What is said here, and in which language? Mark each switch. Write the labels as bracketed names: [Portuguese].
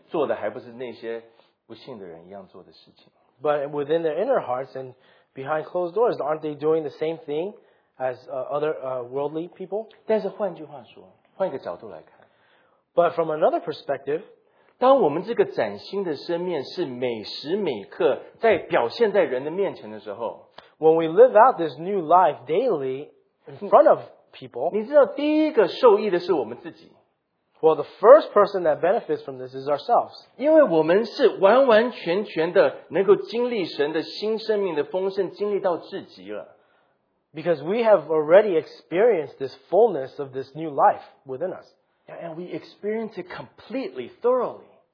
[Chinese] 但是内心里面,背后里面,做的还不是那些不信的人一样做的事情。 [English] But within their inner hearts and behind closed doors, aren't they doing the same thing as other worldly people? [Chinese] 但是换句话说,换一个角度来看, [English] but from another perspective, [Chinese] 当我们这个崭新的生命是每时每刻在表现在人的面前的时候, [English] When we live out this new life daily in front of people, [Chinese] 你知道第一个受益的是我们自己。 [English] Well, the first person that benefits from this is ourselves. [Chinese] 因为我们是完完全全的能够经历神的新生命的丰盛，经历到至极了。Because [English] we have already experienced this fullness of this new life within us. And we experience it completely, thoroughly.